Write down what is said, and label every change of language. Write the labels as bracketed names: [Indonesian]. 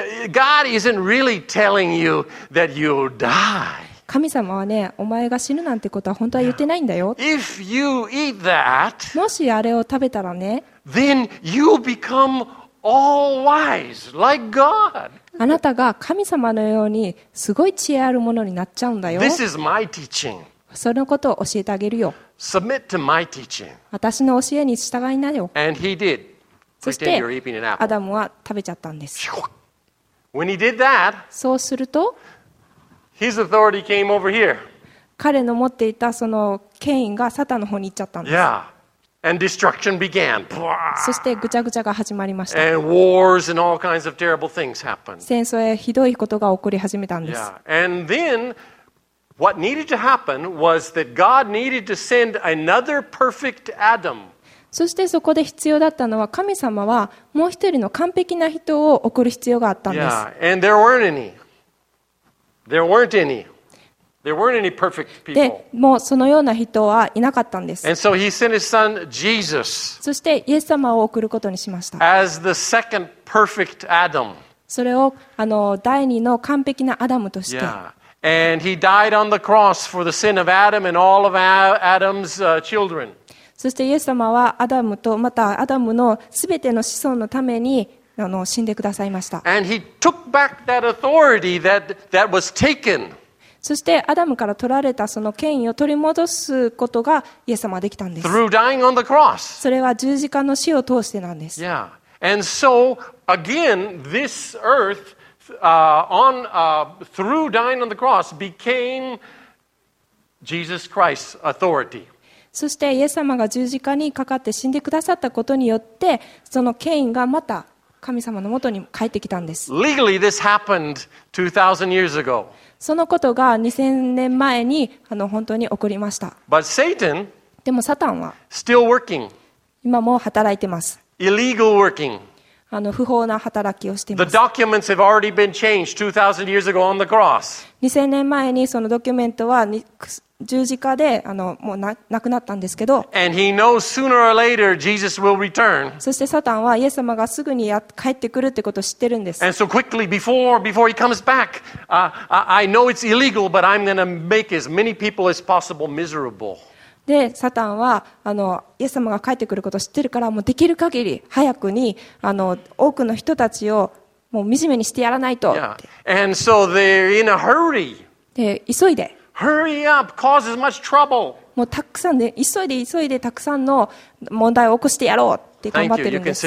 [English] God isn't really telling you that you'll die. [Japanese] 神様はね、お前が死ぬなんてことは本当は言ってないんだよ。 [English] If you eat that, [Japanese] もしあれを食べたらね、 [English] then you become all wise, like God. [Japanese] あなたが神様のようにすごい知恵あるものになっちゃうんだよ。 [English] This is my teaching. [Japanese] そのことを教えてあげるよ。 [English] Submit to my teaching. [Japanese] 私の教えに従いなよ。 [English] And he did. [Japanese] そしてアダムは食べちゃったんです。 [English] When he did that, [Japanese] そうすると、 [English] His authority came over here. [Japanese] 彼の持っていたその権威がサタンの方に行っちゃったんです。 [English] Yeah. And destruction began. [Japanese] そしてぐちゃぐちゃが始まりました。 [English] And wars and all kinds of terrible things happened. [Japanese] 戦争へひどいことが起こり始めたんです。 [English] Yeah. And then what needed to happen was that God needed to send another perfect Adam. [Japanese] そしてそこで必要だったのは神様はもう一人の完璧な人を送る必要があったんです。 [English] Yeah. And there weren't any. There weren't any. There weren't any perfect people. [Japanese] で、もうそのような人はいなかったんです。 [English] And so he sent his son, Jesus. [Japanese] そしてイエス様を送ることにしました。 [English] As the second perfect Adam. [Japanese] それを第二の完璧なアダムとして。 [English] Yeah. And he died on the cross for the sin of Adam and all of Adam's children. [Japanese] そしてイエス様はアダムとまたアダムのすべての子孫のために死んでくださいました。 [English] And he took back that authority that was taken. [Japanese] そしてアダムから取られたその権威を取り戻すことがイエス様はできたんです。 [English] Through dying on the cross. [Japanese] それは十字架の死を通してなんです。 [English] Yeah. And so again, this earth, through dying on the cross, became Jesus Christ's authority. [Japanese] そしてイエス様が十字架にかかって死んでくださったことによって、その権威がまた神様の元に帰ってきたんです。 [English] Legally, this happened 2000 years ago. [Japanese] そのことが2000年前に本当に起こりました。 [English] But Satan, [Japanese] でもサタンは [English] still working. [Japanese] 今も働いてます。 [English] Illegal working. [Japanese] 不法な働きをしています。 [English] The documents have already been changed 2000 years ago on the cross. [Japanese] 2000年前にそのドキュメントは十字架でもう亡くなったんですけど。 [English] And he knows sooner or later Jesus will return. [Japanese] そしてサタンはイエス様がすぐに帰ってくるってことを知ってるんです。 [English] And so quickly before he comes back, I know it's illegal, but I'm going to make as many people as possible miserable. [Japanese] でサタンはイエス様が帰ってくることを知ってるからもうできる限り早くに多くの人たちをもう惨めにしてやらないと。 [English] Yeah. And so they're in a hurry. [Japanese] で急いで。 [English] Hurry up! Cause as much trouble. [Japanese] もうたくさんで急いで急いでたくさんの問題を起こしてやろうって頑張ってるんです。